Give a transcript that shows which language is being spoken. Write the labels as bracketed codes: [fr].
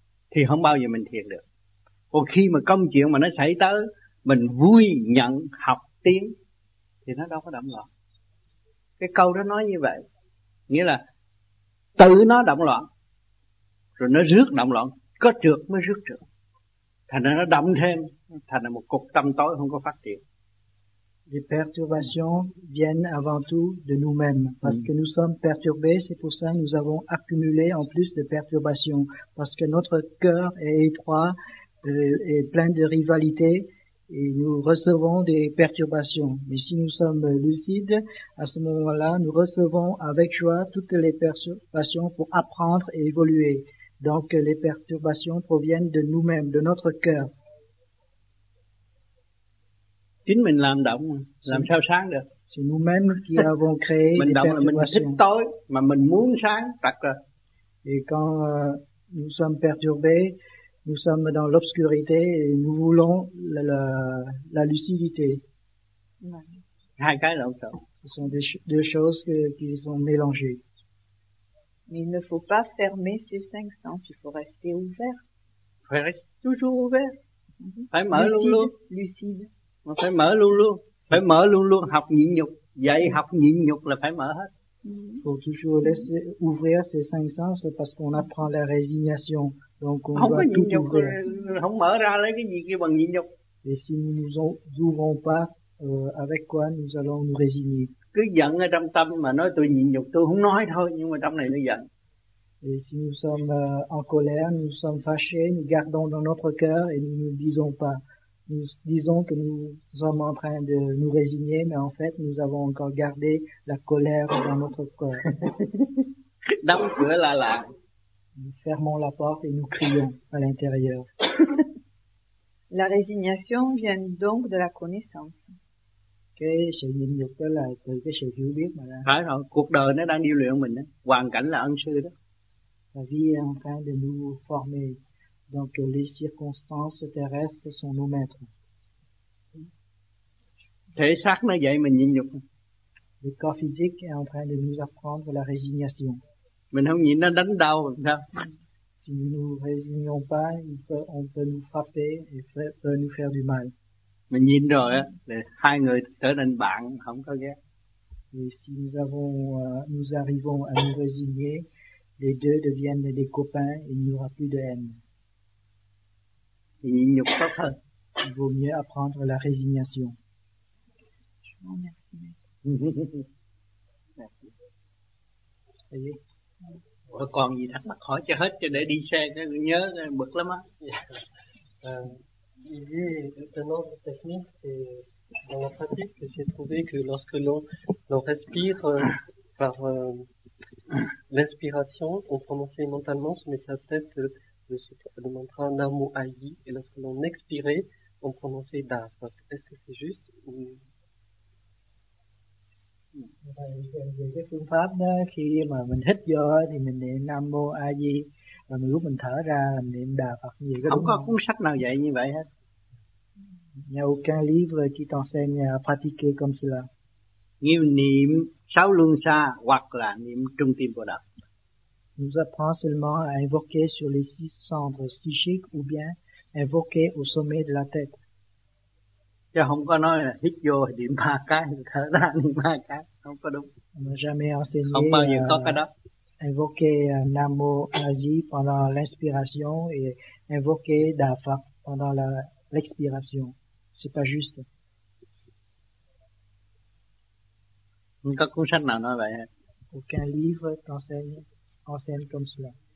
[vi] Thì không bao giờ mình thiền được. Còn khi mà công chuyện mà nó xảy tới, mình vui, nhận, học, tiến, thì nó đâu có động loạn. Cái câu đó nói như vậy, nghĩa là tự nó động loạn, rồi nó rước động loạn, có trượt mới rước trượt. Thành ra nó động thêm, thành ra một cục tâm tối không có phát triển. [fr] Les perturbations viennent avant tout de nous-mêmes, parce que nous sommes perturbés, c'est pour ça que nous avons accumulé en plus de perturbations, parce que notre cœur est étroit et plein de rivalité, et nous recevons des perturbations. Mais si nous sommes lucides, à ce moment-là, nous recevons avec joie toutes les perturbations pour apprendre et évoluer. Donc les perturbations proviennent de nous-mêmes, de notre cœur. [vi] Chính mình làm động, làm sao sáng được. [fr] C'est nous-mêmes qui avons créé [vi] mình động là mình thích tối, mà mình muốn sáng, tật rồi. [fr] Et quand nous sommes perturbés, Nous sommes dans l'obscurité et nous voulons la lucidité. [vi] Hai cái lộn xộn. [fr] Ce sont deux choses qui sont mélangées. Mais il ne faut pas fermer ces cinq sens, il faut rester ouvert. Il faut rester toujours ouvert. [vi] Phải mở luôn luôn. [fr] Lucide. [vi] On phải mở luôn luôn. Phải mở luôn luôn, học nhịn nhục. Dạy học nhịn nhục là phải mở hết. [fr] Il faut toujours laisser ouvrir ces cinq sens parce qu'on apprend la résignation. Donc on doit tout ouvrir. [vi] Không có nhịn nhục, không mở ra lấy cái gì kia bằng nhịn nhục. [fr] Et si nous ne nous ouvrons pas, avec quoi nous allons nous résigner? [vi] Cứ giận ở trong tâm mà nói tôi nhịn nhục, tôi không nói thôi, nhưng mà trong này nó giận. [fr] Et si nous sommes en colère, nous sommes fâchés, nous gardons dans notre cœur et nous ne disons pas. Nous disons que nous sommes en train de nous résigner, mais en fait, nous avons encore gardé la colère dans notre corps. [vi] Đóng cửa là là. [fr] Nous fermons la porte et nous crions à l'intérieur. La résignation vient donc de la connaissance. [vi] Cái sự nhịn nhục đó là từ cái sự hiểu biết mà ra. Phải rồi, cuộc đời nó đang điều luyện mình đó. Hoàn cảnh là ân sư đó. [fr] La vie est en train de nous former. Donc les circonstances terrestres sont nos maîtres. [vi] Thể xác nó vậy mình nhịn nhục. [fr] Le corps physique est en train de nous apprendre la résignation. [vi] Mình không nhịn nó đánh đau sao? [fr] Si nous ne nous résignons pas, on peut nous frapper et peut nous faire du mal. [vi] Mình nhịn rồi á, là hai người trở nên bạn, không có ghét. [fr] Et si nous arrivons à nous résigner, les deux deviennent des copains et il n'y aura plus de haine. [vi] Nhịn nhục tốt hơn. [fr] Il vaut mieux apprendre la résignation. Je vous remercie. Merci. Ça y est. [vi] Ủa, còn gì thắc mắc hỏi cho hết, cho để đi xe, cho nhớ, bực lắm á. [fr] Il y a une autre technique, c'est dans la pratique que j'ai trouvé que lorsque l'on respire par l'inspiration, on prononce mentalement, on met sa tête le mantra Namo Aji, et lorsque l'on expirait, on prononçait Das. Est-ce que c'est juste ou... [vi] Cái phương pháp đó, khi mà mình hít vô thì mình niệm Nam Mô A Di, và lúc mình thở ra mình niệm Đà Phật gì đó. Không có cuốn sách nào dạy như vậy hết. [fr] Il n'y a aucun livre qui t'enseigne à pratiquer comme cela. [vi] Nghiêm niệm sáu luân xa hoặc là niệm trung tâm Bồ Đà. [fr] Nous apprend seulement à invoquer sur les six centres psychiques ou bien invoquer au sommet de la tête. [vi] Chứ không có nói là hít vô niệm ba cái, thở ra niệm ba cái, không có đúng. [fr] On n'a jamais enseigné. [vi] Không bao giờ có cái đó. [fr] Invoquer Namo Aji pendant l'inspiration et invoquer Da Phật pendant l'expiration. C'est pas juste. [vi] Không có cuốn sách nào nói vậy. [fr] Aucun livre t'enseigne comme cela.